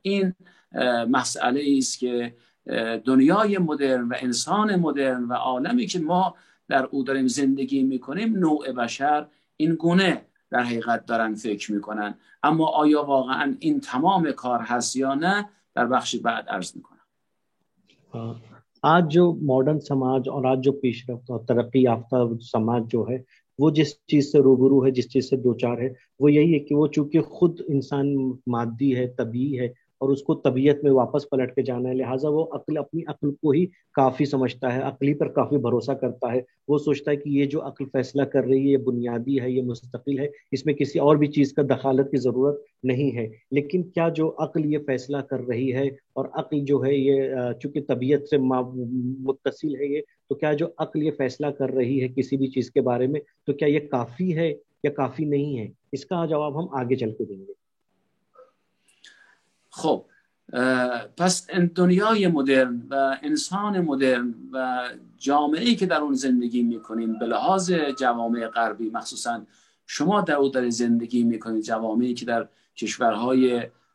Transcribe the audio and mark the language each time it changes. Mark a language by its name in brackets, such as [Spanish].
[Persian] این مسئله است که دنیای مدرن و انسان مدرن و عالمی که ما در او داریم زندگی می کنیم، نوع بشر این گونه در حقیقت دارن فکر میکنن. اما آیا واقعا این تمام کار هست یا نه، در بخش بعد عرض میکنم. [Urdu] آج جو ماڈرن سماج اور آج جو پیش رفت اور ترقی یافتہ سماج جو ہے، وہ جس چیز سے روبرو ہے، جس چیز سے دوچار ہے، وہ یہی ہے کہ وہ چونکہ خود انسان مادی ہے، طبیعی ہے، اور اس کو طبیعت میں واپس پلٹ کے جانا ہے، لہٰذا وہ عقل اپنی عقل کو ہی کافی سمجھتا ہے، عقلی پر کافی بھروسہ کرتا ہے. وہ سوچتا ہے کہ یہ جو عقل فیصلہ کر رہی ہے، یہ بنیادی ہے، یہ مستقل ہے، اس میں کسی اور بھی چیز کا دخالت کی ضرورت نہیں ہے. لیکن کیا جو عقل یہ فیصلہ کر رہی ہے، اور عقل جو ہے یہ چونکہ طبیعت سے متصل ہے یہ، تو کیا جو عقل یہ فیصلہ کر رہی ہے کسی بھی چیز کے بارے میں، تو کیا یہ کافی ہے یا کافی نہیں ہے؟ اس کا جواب ہم آگے چل کے دیں گے. [Persian] خب پس دنیای مدرن و انسان مدرن و جامعه‌ای که در اون زندگی میکنیم، به لحاظ جوامع غربی، مخصوصا شما در اون در زندگی میکنید، جوامعی که در کشورهای